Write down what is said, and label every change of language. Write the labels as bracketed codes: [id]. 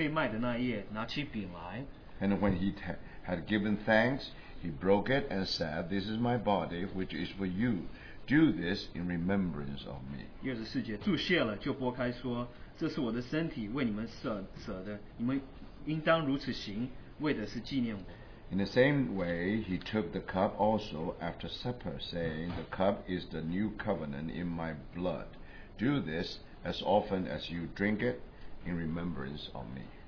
[zh] 我当日传给你们的原是从主领受的，就是主耶稣被卖的那一夜，拿起饼来。 [en] And when he had given thanks, he broke it and said, This is my body, which is for you. Do this in remembrance of me. [zh] 24节，祝谢了，就拨开说，这是我的身体，为你们舍的，你们应当如此行，为的是纪念我。 [en] In the same way, he took the cup also after supper, saying, The cup is the new covenant in my blood. Do this as often as you drink it in remembrance of me.